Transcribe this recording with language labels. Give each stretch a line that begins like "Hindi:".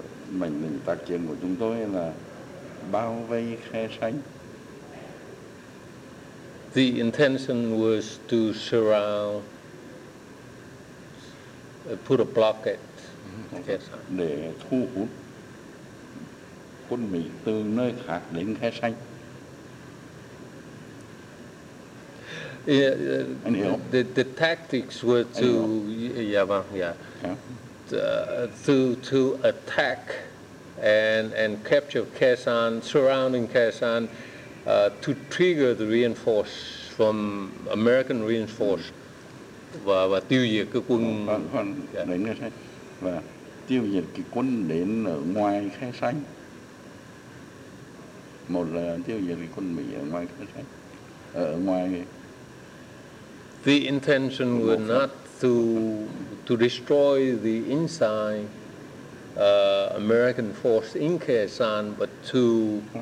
Vietnamese: Mệnh lệnh tác chiến của chúng tôi là bao vây Khe San.
English: The intention was to surround, put a blockade Khe San.
Vietnamese: Để thu hút quân Mỹ từ nơi khác đến Khe San.
English: The tactics were to to attack and capture Khe San, surrounding Khe San, to trigger the reinforce from American reinforce
Vietnamese: và tiêu diệt cái quân đến Khe San và tiêu diệt cái quân đến ở ngoài Khe San, một là tiêu diệt cái quân Mỹ ở ngoài Khe San ở ngoài.
English: The intention was not to destroy the inside American force in Khe San, but to